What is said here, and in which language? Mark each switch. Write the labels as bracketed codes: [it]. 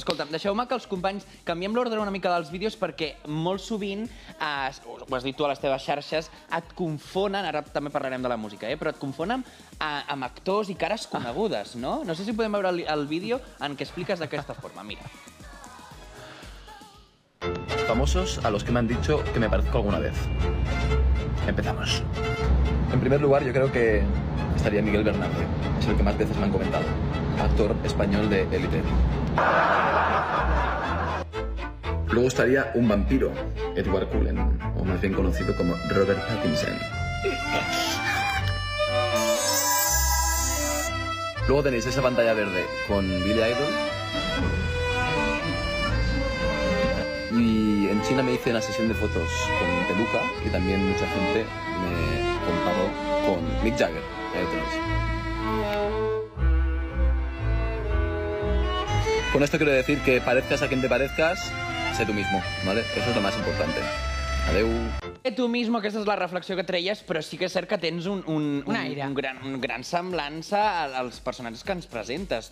[ca] Escolta'm, deixeu-me que els companys canviem l'ordre una mica dels vídeos, perquè molt sovint, ho has dit tu a les teves xarxes, et confonen, ara també parlarem de la música, però et confonen amb actors i cares conegudes, no? No sé si podem veure el vídeo en què expliques d'aquesta forma. Mira. [es] Famosos a los que me han dicho que me parezco alguna vez. Empezamos. En primer lugar, yo creo que estaría Miguel Bernabé. Es el que más veces me han comentado. Actor español de élite. Luego estaría un vampiro, Edward Cullen, o más bien conocido como Robert Pattinson. Luego tenéis esa pantalla verde con Billy Idol. Y en China me hice una sesión de fotos con Peluca, que también mucha gente me comparó con Mick Jagger. Ahí lo tenéis. Con esto quiero decir que parezcas a quien te parezcas, sé tú mismo, ¿vale? Eso es lo más importante. [ca] Adeu. [es] Tu mismo, [ca] aquesta és la reflexió que treies, però sí que és cert que tens un gran semblança als personatges que ens presentes.